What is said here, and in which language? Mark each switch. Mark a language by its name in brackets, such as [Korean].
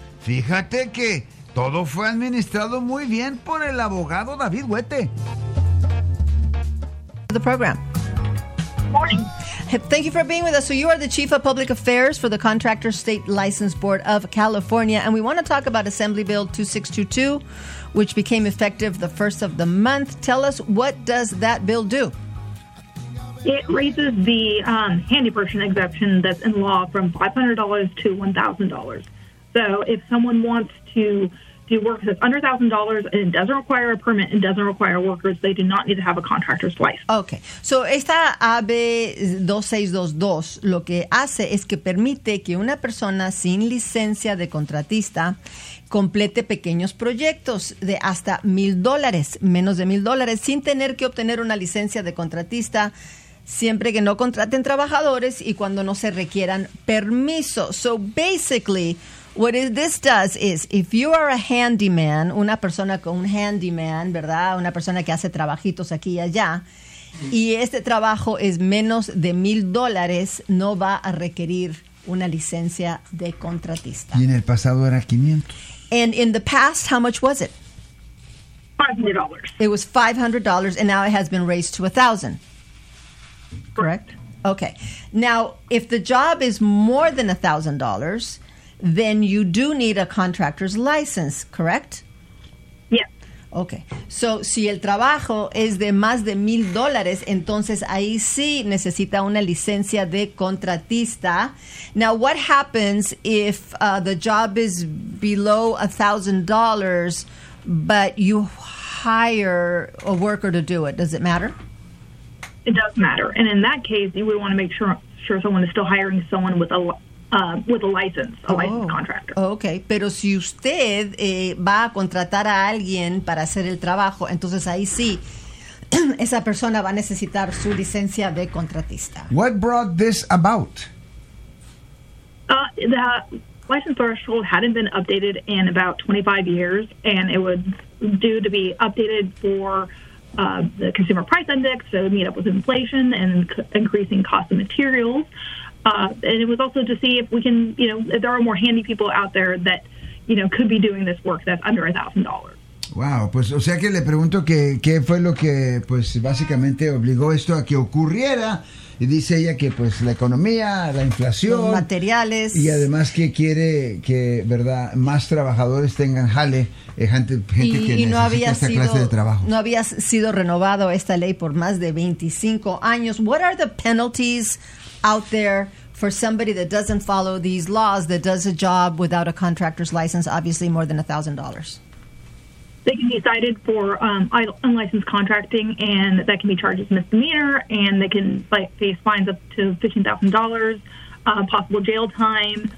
[Spanish] Fíjate que todo fue administrado muy bien por el abogado David Huete. [English] The program. Morning. Thank you for being with us. So you are the Chief of Public Affairs for the Contractor State License Board of California, and we want to talk about Assembly Bill 2622, which became effective the first of the month. Tell us, what does that bill do? It raises the handy person exemption that's in law from $500 to $1,000. So if someone wants to do work that's under $1,000 and doesn't require a permit and doesn't require workers, they do not need to have a contractor's license. Okay. [Spanish] So esta AB 2622 lo que hace es que permite que una persona sin licencia de contratista complete pequeños proyectos de hasta $1,000, menos de $1,000, sin tener que obtener una licencia de contratista, siempre que no contraten trabajadores y cuando no se requieran permisos. [English] So basically, what this does is, if you are a handyman, [Spanish] una persona con un handyman, ¿verdad? Una persona que hace trabajitos aquí y allá, y este trabajo es menos de $1,000, no va a requerir una licencia de contratista. Y en el pasado era 500. [English] And in the past, how much was it? $500. It was $500, and now it has been raised to $1,000. Correct? Okay. Now, if the job is more than $1,000, then you do need a contractor's license, correct? Yeah. Okay. [Spanish] So, si el trabajo es de más de $1,000, entonces ahí sí necesita una licencia de contratista. [English] Now, what happens if the job is below $1,000, but you hire a worker to do it? Does it matter? It does matter. And in that case, you would want to make sure someone is still hiring someone with a licensed contractor. Okay. [Spanish] Pero si usted va a contratar a alguien para hacer el trabajo, entonces ahí sí, esa persona va a necesitar su licencia de contratista. [English] What brought this about? The license threshold hadn't been updated in about 25 years, and it was due to be updated for the consumer price index, so it meet up with inflation and increasing cost of materials. And it was also to see if we can, you know, if there are more handy people out there that, you know, could be doing this work that's under $1,000. [Spanish] Wow, pues o sea que le pregunto que qué fue lo que pues básicamente obligó esto a que ocurriera. Y dice ella que pues la economía, la inflación, los materiales, y además que quiere que, verdad, más trabajadores tengan jale, gente que necesita esta clase de trabajo. No había sido renovado esta ley por más de 25 años. [English] What are the penalties out there for somebody that doesn't follow these laws, that does a job without a contractor's license, obviously more than $1,000? They can be cited for unlicensed contracting, and that can be charged as misdemeanor, and they can face fines up to $15,000, possible jail time.